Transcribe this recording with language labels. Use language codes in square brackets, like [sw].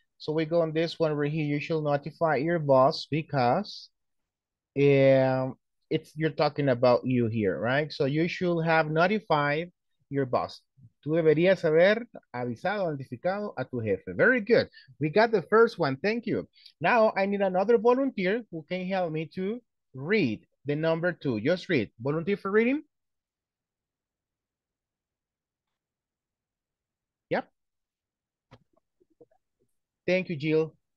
[en] So we go on this one right here. You should notify your boss because it's you're talking about you here, right? So you should have notified your boss. [es] Tú deberías haber avisado, notificado a tu jefe. [en] Very good. We got the first one. Thank you. Now I need another volunteer who can help me to read the number two. Just read. Volunteer for reading. Yep. Thank you, Jill.